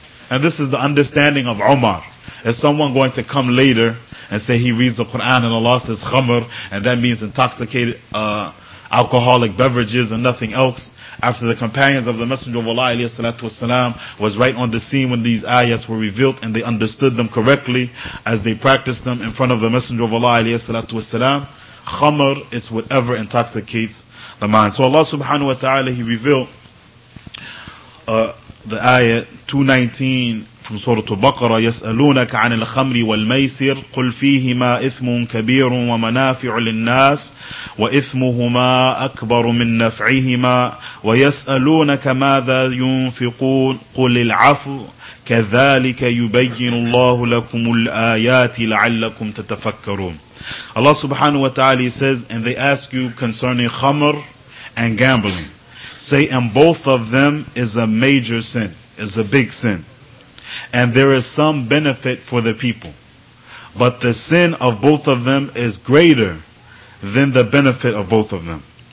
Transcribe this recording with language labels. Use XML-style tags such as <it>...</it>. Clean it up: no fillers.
<en>And this is the understanding of Umar. Is someone going to come later and say he reads the Quran and Allah says khamr, and that means intoxicated alcoholic beverages and nothing else, after the companions of the Messenger of Allah alayhi salatu wasalam was right on the scene when these ayats were revealed and they understood them correctly as they practiced them in front of the Messenger of Allah alayhi salatu wasalam? Khamr is whatever intoxicates the mind. So Allah subhanahu wa ta'ala, He revealed the ayah 219 from Surah Al-Baqarah,</en> <ar>يَسْأَلُونَكَ عَنِ الْخَمْرِ وَالْمَيْسِرِ قُلْ فِيهِمَا إِثْمٌ كَبِيرٌ وَمَنَافِعُ لِلنَّاسِ وَإِثْمُهُمَا أَكْبَرُ مِنْ نَفْعِهِمَا وَيَسْأَلُونَكَ مَاذَا يُنْفِقُونَ قُلِ الْعَفْوُ كَذَلِكَ يُبَيِّنُ اللَّهُ لَكُمُ الْآيَاتِ لَعَلَّكُمْ تَتَفَكَّرُونَ.</ar> <en>Allah subhanahu wa ta'ala says, and they ask you concerning khamr and gambling. Say, and both of them is a major sin, is a big sin. And there is some benefit for the people. But the sin of both of them is greater than the benefit of both of them.</en>